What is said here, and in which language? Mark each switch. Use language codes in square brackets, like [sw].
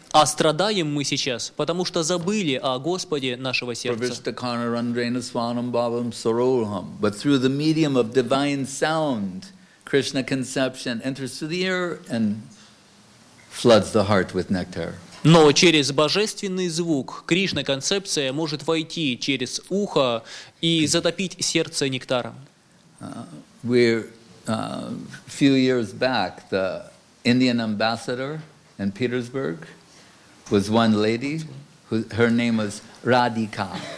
[ru] А страдаем мы сейчас, потому что забыли о Господе нашего сердца. [en] But through the medium of divine sound, Krishna conception enters through the ear and floods the heart with nectar. [ru] Но через божественный звук Кришна-концепция может войти через ухо и затопить сердце нектаром. [en] Few years back, the Indian ambassador in Petersburg was one lady, who, her name was Radhika.